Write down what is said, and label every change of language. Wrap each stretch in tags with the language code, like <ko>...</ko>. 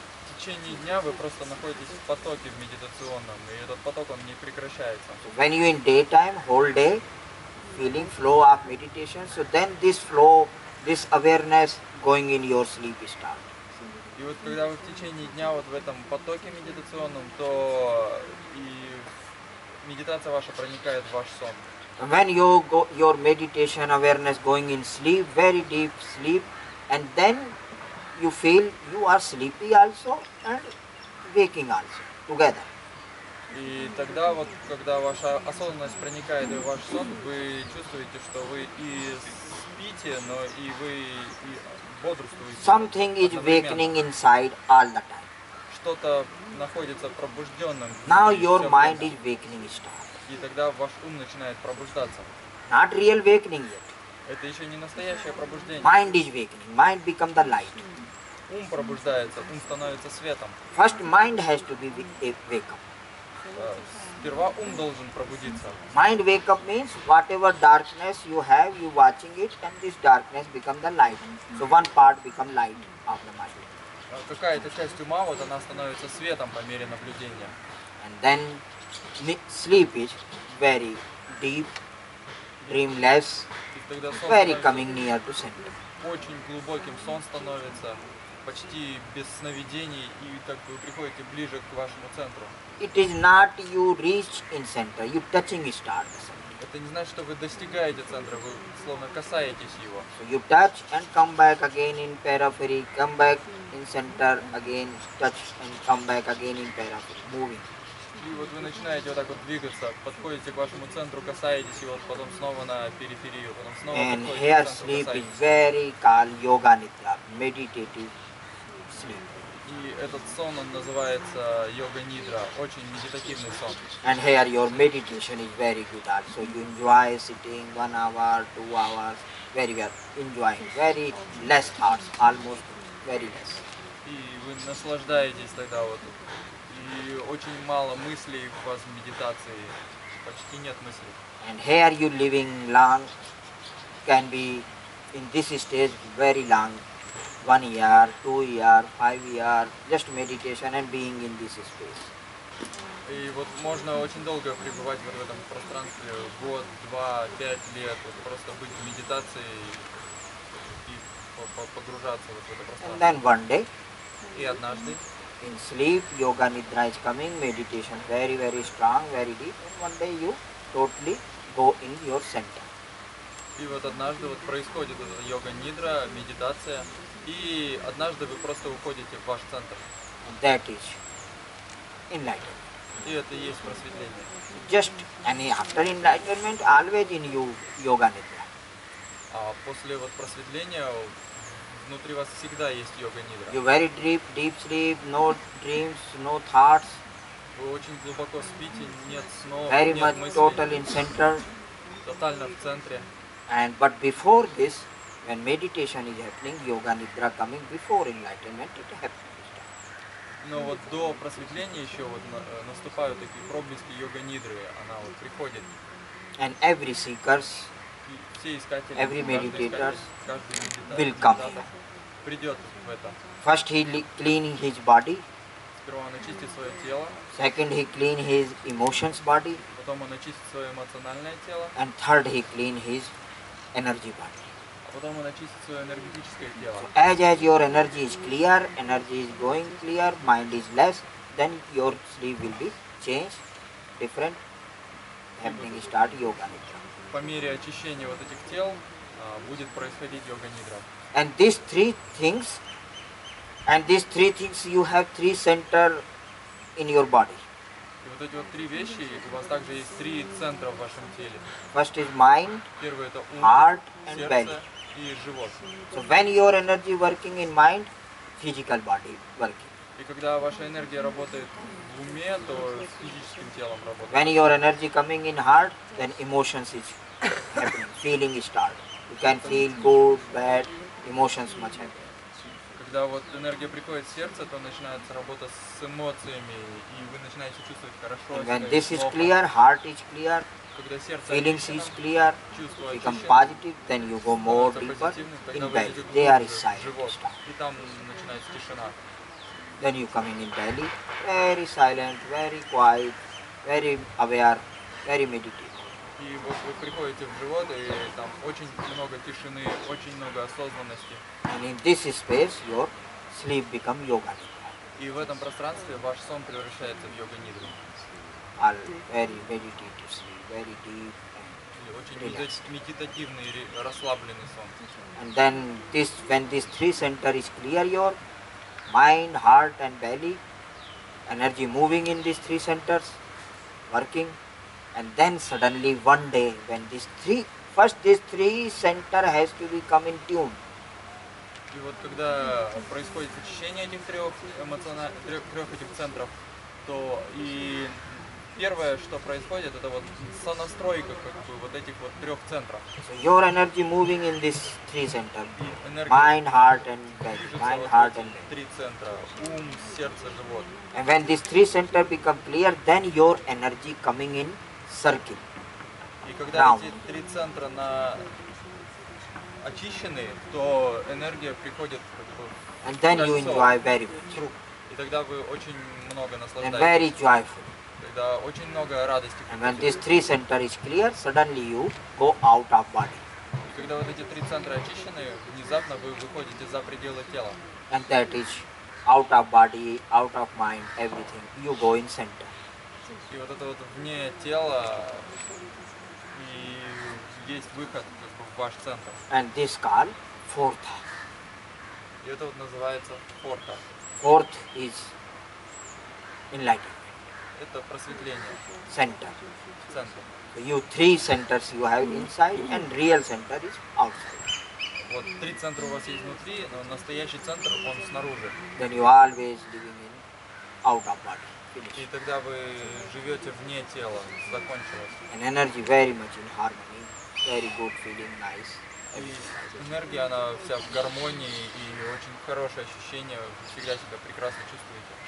<ru>В течение дня вы просто находитесь в потоке в медитационном, и этот поток он не прекращается.</ru> <en>When you in daytime, whole day, feeling flow of meditation, so then this flow, this awareness going in your sleep start.</en> <ru>И вот когда вы в течение дня вот в этом потоке медитационном, то и медитация ваша проникает в ваш сон.</ru> <en>When you go, your meditation awareness going in sleep, very deep sleep, and then you feel you are sleepy also and waking also together.</en> <ru>И тогда вот, когда ваша осознанность проникает в ваш сон, вы чувствуете, что вы и спите, но и вы и бодрствуете.</ru> <en>Something is awakening inside all the time.</en> <ru>Что-то находится пробужденным.</ru> <en>Now your mind is awakening start.</en> <ru>И тогда ваш ум начинает пробуждаться.</ru> <en>Not real awakening yet.</en> <ru>Это еще не настоящее пробуждение.</ru> <en>Mind is awakening. Mind become the light.</en> <ru>Ум пробуждается, ум становится светом.</ru> <en>First mind has to be wake up.</en> <ru>Сперва ум должен пробудиться.</ru> <en>Mind wake up means whatever darkness you have, you watching it and this darkness become the light. So one part become light of the mind.</en> <ru>Какая-то часть ума, вот она становится светом по мере наблюдения.</ru> <en>And then sleep is very deep, dreamless, very coming near to center.</en> <ru>Очень глубоким сон становится, почти без сновидений, и так вы приходите ближе к вашему центру.</ru> <en>It is not you reach in center, you touching start the center.</en> <ru>Это не значит, что вы достигаете центра, вы словно касаетесь его.</ru> <en>So you touch and come back again in periphery, come back in center again, touch and come back again in periphery, moving.</en> <ru>И вот вы начинаете вот так вот двигаться, подходите к вашему центру, касаетесь его, потом снова на периферию, потом снова</ru> <en>And</en> <ru>подходите</ru> <en>here</en> <ru>к центру,</ru> <en>sleep</en> <ru>касаетесь.</ru> <en>Is very called yoga nidra, meditative sleep.</en> <ru>И этот сон, он называется йога нидра, очень медитативный сон.</ru> <en>And here your meditation is very good art, so you enjoy sitting 1 hour, 2 hours, very well, enjoying, very less hours, almost very less.</en> <ru>И вы наслаждаетесь тогда вот И очень мало мыслей у вас в медитации, почти нет мыслей.</ru> <en>And here you living long, can be in this stage very long, 1 year, 2 year, 5 year, just meditation and being in this space.</en> <ru>И вот можно очень долго пребывать вот в этом пространстве, год, два, пять лет, вот просто быть в медитации и погружаться вот в это пространство.</ru> <en>And then one day.</en> <ru>И однажды.</ru> <en>In sleep, yoga nidra is coming, meditation very strong, very deep, and one day you totally go in your center.</en> <ru>И вот однажды вот происходит йога нидра, медитация, и однажды вы просто уходите в ваш центр.</ru> <en>That is enlightenment.</en> <ru>И это и есть просветление.</ru> <en>Just any after enlightenment always in you yoga nidra.</en> <ru>А после вот просветления внутри вас всегда есть йога нидра.</ru> <en>You very deep sleep, no dreams, no thoughts.</en> <ru>Вы очень глубоко спите, нет снов,</ru> <en>very</en> <ru>нет</ru> <en>much</en> <ru>мыслей.</ru> <en>Totally in center.</en> <ru>Тотально в центре.</ru> <en>And but before this, when meditation is happening, yoga nidra coming before enlightenment, it happens.</en> <ru>Но вот до просветления еще вот наступают такие проблески йога нидры, она вот приходит.</ru> <en>And every seekers,</en> <ru>все искатели,</ru> <en>every meditators</en> <ru>каждый</ru> <en>will come.</en> <ru>Придет в это.</ru> <en>First he cleaning his body.</en> <ru>Сперва он очистит свое тело.</ru> <en>Second he clean his emotions body.</en> <ru>Потом он очистит свое эмоциональное тело.</ru> <en>And third he clean his energy body.</en> <ru>А потом он очистит свое энергетическое тело.</ru> <en>So as your energy is clear, energy is going clear, mind is less, then your sleep will be changed, different, happening start yoga nidra.</en> <ru>По мере очищения вот этих тел будет происходить йога нидра.</ru> <en>And these three things. And these three things, you have three center in your body.</en> <ru>И вот эти вот три вещи, у вас также есть три центра в вашем теле.</ru> <en>First is mind,</en> <ru>первое это ум,</ru> <en>heart and</en> <ru>сердце</ru> <en>belly.</en> <ru>И живот.</ru> <en>So when your energy working in mind, physical body working.</en> <ru>И когда ваша энергия работает в уме, то с физическим телом работает.</ru> <en>When your energy coming in heart, then emotions is happening, feeling start. You can feel good, bad, emotions much happen.</en> <ru>Когда вот энергия приходит в сердце, то начинается работа с эмоциями, и вы начинаете чувствовать хорошо.</ru> <en>When this is clear, heart is clear,</en> <ru>когда сердце</ru> <en>feelings is clear, become positive, then you go more deeper in belly. They are silent.</en> <ru>И там начинается тишина.</ru> <en>Then you come in belly, very silent, very quiet, very aware, very meditative.</en> <ru>И вот вы приходите в живот, и там очень много тишины, очень много осознанности.</ru> <en>And in this space, your sleep become yoga.</en> <ru>И в этом пространстве ваш сон превращается в йога нидру.</ru> <en>Very meditative sleep, very deep and</en> <ru>очень медитативный, расслабленный сон.</ru> <en>And then this, when these three center is clear, your mind, heart and belly, energy moving in these three centers, working. And then suddenly one day when these three center has to be come in tune.</en> <ru>И вот когда происходит очищение этих трех этих центров, то и первое, что происходит, это вот сонастройка как бы вот этих вот трех центров.</ru> <en>So your energy moving in these three center. Mind, heart and belly. Mind, heart and belly.</en> <ru>Три центра. Ум, сердце, живот.</ru> <en>And when these three center become clear, then your energy coming in circle.</en> <ru>И когда</ru> <en>round.</en> <ru>Эти три центра на очищены, то энергия приходит как бы.</ru> <en>And then you enjoy very true.</en> <ru>И тогда вы очень много наслаждаетесь.</ru> <en>And very joyful.</en> <ru>Тогда очень много радости.</ru> <en>And when these three center is clear, suddenly you go out of body.</en> <ru>И когда вот эти три центра очищены, внезапно вы выходите за пределы тела.</ru> <en>And that is out of body, out of mind, everything. You go in center.</en> <ru>И вот это вот вне тела и есть выход в ваш центр.</ru> <en>And this call fourth.</en> <ru>И это вот называется</ru> <en>fourth. Fourth is enlightenment.</en> <ru>Это просветление.</ru> <en>Center.</en> <ru>Центр.</ru> <en>So you three centers you have inside and real center is outside.</en> <ru>Вот три центра у вас есть внутри, но настоящий центр он снаружи.</ru> <en>Then you always living in out of body.</en> <ru>И тогда вы живете вне тела, закончилось.</ru> <en>And energy very much in harmony, very good feeling, nice.</en> <ru>Энергия, она вся в гармонии и очень хорошее ощущение, всегда себя прекрасно чувствуете.</ru>